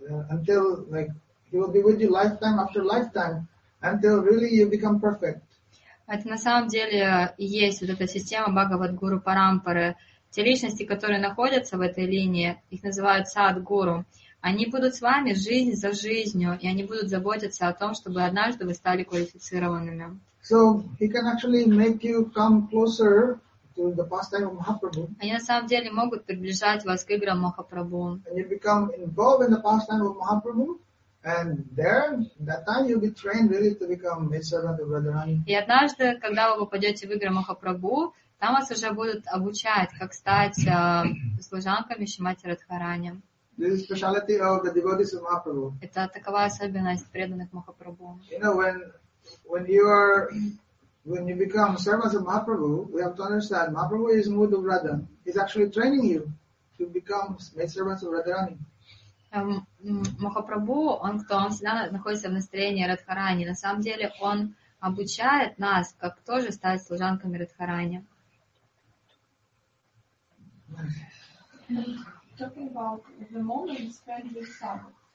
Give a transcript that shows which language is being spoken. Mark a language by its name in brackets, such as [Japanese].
[English] Until, like, he will be with you lifetime after lifetime, until really you become perfect. [Russian] Это на самом деле и есть вот эта система Бхагавад-Гуру Парампары. Те личности, которые находятся в этой линии, их называют садгуру, они будут с вами жизнь за жизнью, и они будут заботиться о том, чтобы однажды вы стали квалифицированными. [English] So he can actually make you come closer to the pastime of Mahaprabhu. [Russian] Они на самом деле могут приближать вас к играм Махапрабху. [English] And you become involved in the pastime of Mahaprabhu. And there, that time you'll be trained really to become maid servant of Radharani. [Russian] И однажды, когда вы попадете в игры Махапрабху, там вас уже будут обучать, как стать служанками Шримати Радхарани. [English] This is speciality of the devotees of Mahaprabhu. [Russian] Это такова особенность преданных Махапрабху. [English] You know, when you become servants of Mahaprabhu, we have to understand Mahaprabhu is mood of Radha. He's actually training you to become maid servants of Radharani. [Russian] Махапрабху, он всегда находится в настроении Радхарани. На самом деле, он обучает нас, как тоже стать служанками Радхарани. [English] Talking about the moment you spend with Sadhguru.